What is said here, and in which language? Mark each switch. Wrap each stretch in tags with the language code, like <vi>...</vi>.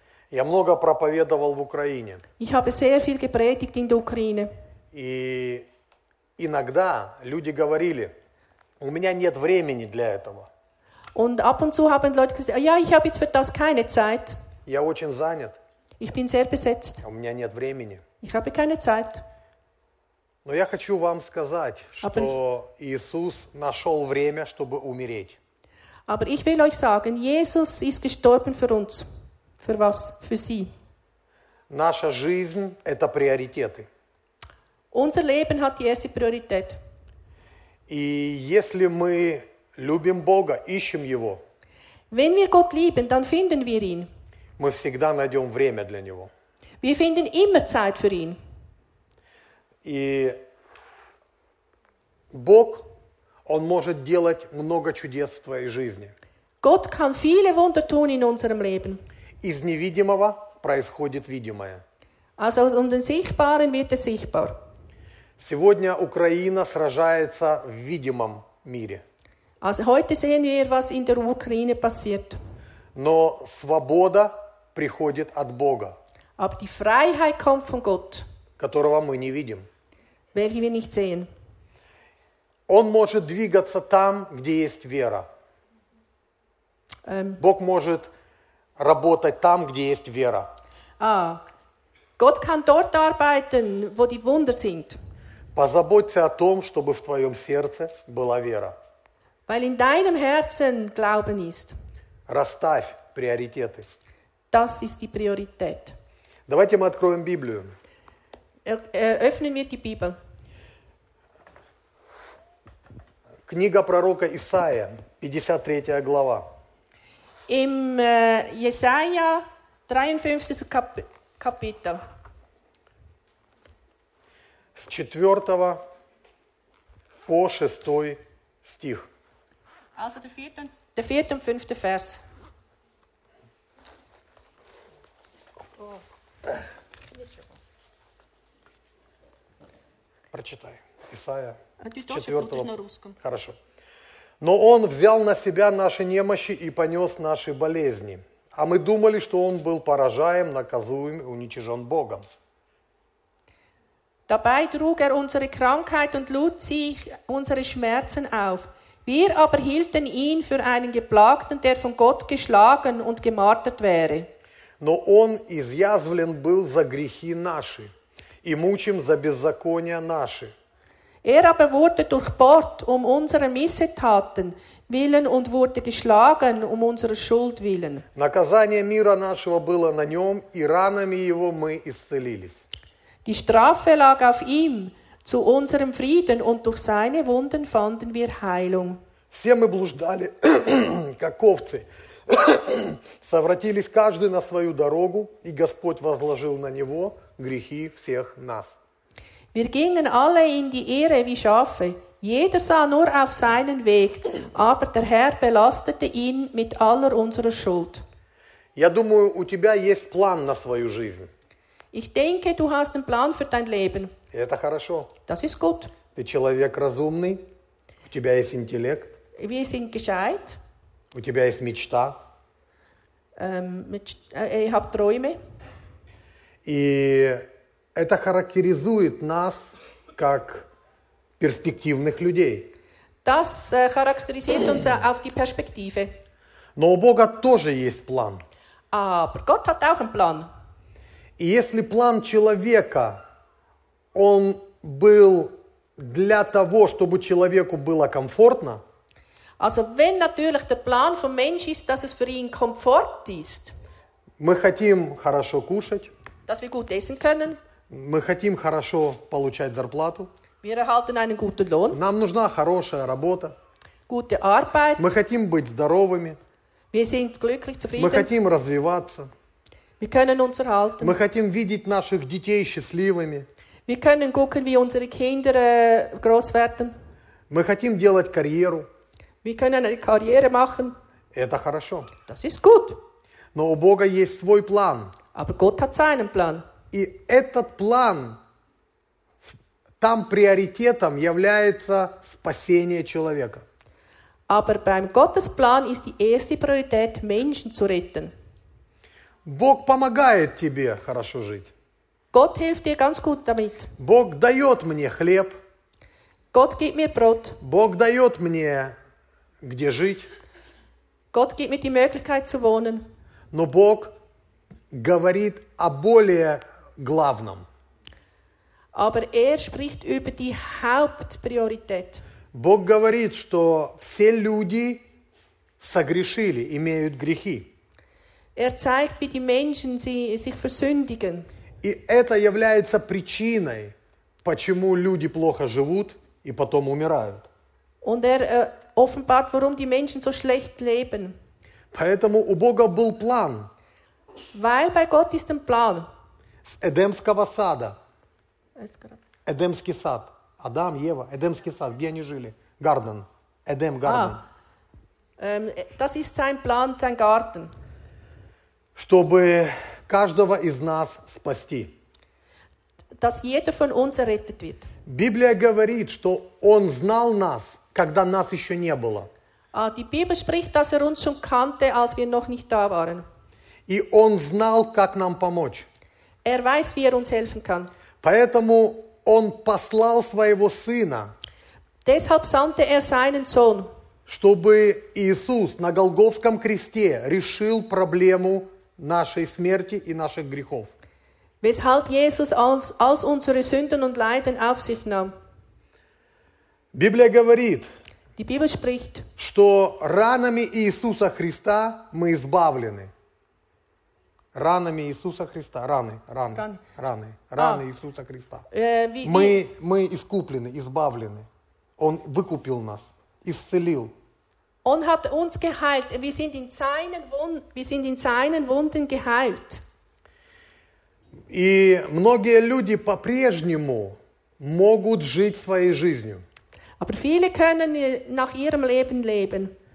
<ru>Я много проповедовал в Украине.</ru> <de>Ich habe sehr viel gepredigt in der Ukraine.</de> <ru>И иногда люди говорили, у меня нет времени для этого.</ru> <de>Und ab und zu haben Leute gesagt, ja, ich habe jetzt für das keine Zeit.</de> <ru>Я очень занят.</ru> <de>Ich bin sehr besetzt.</de> <ru>У меня нет времени.</ru> <de>Ich habe keine Zeit.</de> <ru>Но я хочу вам сказать, что</ru> <de>Aber</de> <ru>Иисус нашел время, чтобы умереть.</ru> <de>Aber ich will euch sagen, Jesus ist gestorben für uns. Für was? Für sie.</de> <ru>Наша жизнь – это приоритеты.</ru> <de>Unser Leben hat die erste Priorität.</de> <ru>И если мы любим Бога, ищем Его,</ru> <de>wenn wir Gott lieben, dann finden wir ihn.</de> <ru>Мы всегда найдем время для Него.</ru> <de>Wir finden immer Zeit für ihn.</de> <ru>И Бог, Он может делать много чудес в твоей жизни.</ru> <de>Gott kann viele Wunder tun in unserem Leben.</de> <ru>Из невидимого происходит видимое.</ru> <de>Also aus Unsichtbaren wird es sichtbar.</de> <ru>Сегодня Украина сражается в видимом мире.</ru> <de>Also heute sehen wir, was in der Ukraine passiert.</de> <ru>Но свобода приходит от Бога.</ru> <de>Aber die Freiheit kommt von Gott.</de> <ru>Которого мы не видим.</ru> <de>Welche wir nicht sehen.</de> <ru>Он может двигаться там, где есть вера. Бог может работать там, где есть вера.</ru> <de>Gott kann dort arbeiten, wo die Wunder sind.</de> <ru>Позаботься о том, чтобы в твоем сердце была вера.</ru> <de>Weil in deinem Herzen Glauben ist.</de> <ru>Расставь приоритеты.</ru> <de>Das ist die Priorität.</de> <ru>Давайте мы откроем Библию.</ru> <de>Öffnen wir die Bibel.</de> <ru>Книга пророка Исаия, 53 глава.</ru> <de>Im Jesaja 53 Kapitel.</de> <ru>С 4 по 6 стих.</ru> <de>Also der 4. und 5. Vers.</de> <ru>Прочитай. Исаия. С 4. На русском. Хорошо. Но он взял на себя наши немощи и понес наши болезни. А мы думали, что он был поражаем, наказуем и уничижен Богом.</ru> <de>Dabei trug er unsere Krankheit und lud sich unsere Schmerzen auf. Wir aber hielten ihn für einen Geplagten, der von Gott geschlagen und gemartert wäre.</de> <ru>Но он изъязвлен был за грехи наши и мучим за беззакония наши.</ru> <de>Er aber wurde durchbohrt um unsere Missetaten willen und wurde geschlagen um unsere Schuld willen.</de> <ru>Наказание мира нашего было на нем, и ранами его мы исцелились.</ru> <de>Die Strafe lag auf ihm zu unserem Frieden und durch seine Wunden fanden wir Heilung.</de> <ru>Все мы блуждали, как овцы, совратились каждый на свою дорогу, и Господь возложил на него грехи всех нас.</ru> <de>Wir gingen alle in die Irre wie Schafe. Jeder sah nur auf seinen Weg, aber der Herr belastete ihn mit aller unserer Schuld.</de> <ru>Я думаю, у тебя есть план на свою жизнь.</ru> <de>Ich denke, du hast einen Plan für dein Leben.</de> <ru>Это хорошо.</ru> <de>Das ist gut.</de> <ru>Ты человек разумный. У тебя есть интеллект.</ru> <de>Wir sind gescheit.</de> <ru>У тебя есть мечта.</ru> <de>Ich habe Träume.</de> <ru>И это характеризует нас как перспективных людей.</ru> <de>Das</de> <ru>характеризует</ru> <de>uns auf die Perspektive.</de> <ru>Но у Бога тоже есть план.</ru> <de>Aber Gott hat auch einen Plan.</de> <ru>И если план человека, он был для того, чтобы человеку было комфортно.</ru> <de>Also wenn natürlich der Plan vom Mensch ist, dass es für ihn Komfort ist.</de> <ru>Мы хотим хорошо кушать.</ru> <de>Dass wir gut essen können.</de> <ru>Мы хотим хорошо получать зарплату.</ru> <de>Wir erhalten einen guten Lohn.</de> <ru>Нам нужна хорошая работа.</ru> <de>Gute Arbeit.</de> <ru>Мы хотим быть здоровыми.</ru> <de>Wir sind glücklich, zufrieden.</de> <ru>Мы хотим развиваться.</ru> <de>Wir können uns erhalten.</de> <ru>Мы хотим видеть наших детей счастливыми.</ru> <de>Wir können gucken, wie unsere Kinder groß werden.</de> <ru>Мы хотим делать карьеру.</ru> <de>Wir können eine Karriere machen.</de> <ru>Это хорошо.</ru> <de>Das ist gut.</de> <ru>Но у Бога есть свой план.</ru> <de>Aber Gott hat seinen Plan.</de> <ru>И этот план, там приоритетом является спасение человека.</ru> <de>Aber beim Gottes Plan ist die erste Priorität, Menschen zu retten.</de> <ru>Бог помогает тебе хорошо жить.</ru> <de>Gott hilft dir ganz gut damit.</de> <ru>Бог дает мне хлеб.</ru> <de>Gott gibt mir Brot.</de> <ru>Бог дает мне, где жить.</ru> <de>Gott gibt mir die Möglichkeit zu wohnen.</de> <ru>Но Бог говорит о более главном.</ru> <de>Aber er spricht über die Hauptpriorität.</de> <ru>Бог говорит, что все люди согрешили, имеют грехи.</ru> <de>Er zeigt, wie die Menschen sich versündigen.</de> <ru>И это является причиной, почему люди плохо живут и потом умирают.</ru> <de>Und er offenbart, warum die Menschen so schlecht leben.</de> <ru>Поэтому у Бога был план.</ru> <de>Weil bei Gott ist ein Plan.</de> <ru>С Эдемского сада. Эдемский сад. Адам, Ева, Эдемский сад. Где они жили? Гарден. Эдем, Гарден.</ru> <de>Das ist sein Plan, sein Garten.</de> <ru>Чтобы каждого из нас спасти.</ru> <de>Dass jeder von uns errettet wird.</de> <ru>Библия говорит, что Он знал нас, когда нас еще не было.</ru> <de>Die Bibel spricht, dass er uns schon kannte, als wir noch nicht da waren.</de> <ru>И Он знал, как нам помочь.</ru> <de>Er weiß, wie er uns helfen kann.</de> <ru>Поэтому Он послал Своего Сына.</ru> <de>Deshalb sandte er seinen Sohn.</de> <ru>Чтобы Иисус на Голгофском кресте решил проблему нашей смерти и наших грехов.</ru> <de>Weshalb Jesus als unsere Sünden und Leiden auf sich nahm.</de> <ru>Библия говорит,</ru> <de>Die Bibel spricht,</de> <ru>что ранами Иисуса Христа мы избавлены. Ранами Иисуса Христа. Раны Иисуса Христа. Мы искуплены, избавлены. Он выкупил нас. исцелил. Он</ru> <de>hat uns geheilt. Wir sind in seinen Wunden geheilt.</de> <ru>И многие люди по-прежнему могут жить своей жизнью.</ru> <de>Aber viele können nach ihrem Leben leben.</de>